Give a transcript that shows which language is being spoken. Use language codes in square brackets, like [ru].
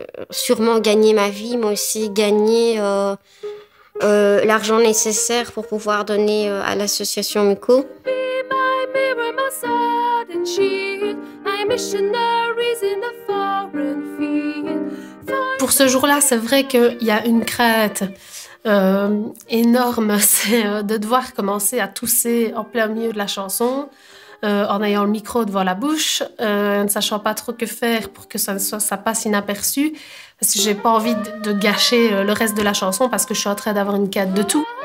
[fr] Sûrement gagner ma vie, mais aussi gagner l'argent nécessaire pour pouvoir donner à l'association Muco. [en] Be my mirror, my sword and shield. My missionaries in a foreign field. [fr] Pour ce jour-là, c'est vrai qu'il y a une crainte énorme, c'est de devoir commencer à tousser en plein milieu de la chanson. En ayant le micro devant la bouche, ne sachant pas trop que faire pour que ça passe inaperçu, parce que j'ai pas envie de gâcher le reste de la chanson parce que je suis en train d'avoir une quête de tout.